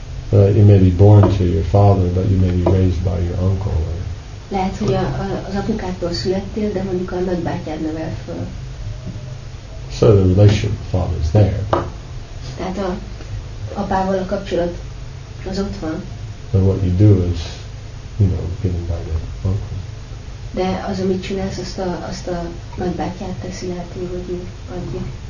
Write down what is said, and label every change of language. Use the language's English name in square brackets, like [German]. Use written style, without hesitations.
[English] You may be born to your father, but you may be raised by your uncle. Or... [Hungarian] Lehet, hogy az apukától születtél, de mondjuk a nagybátyád nevel föl. [English] So the relationship with the father is there. [Hungarian] Tehát a apával a kapcsolat az ott van. [English] But what you do is, you know, given by your uncle. [Hungarian] De az, amit csinálsz, azt a nagybátyád teszi lehető, hogy ő adja.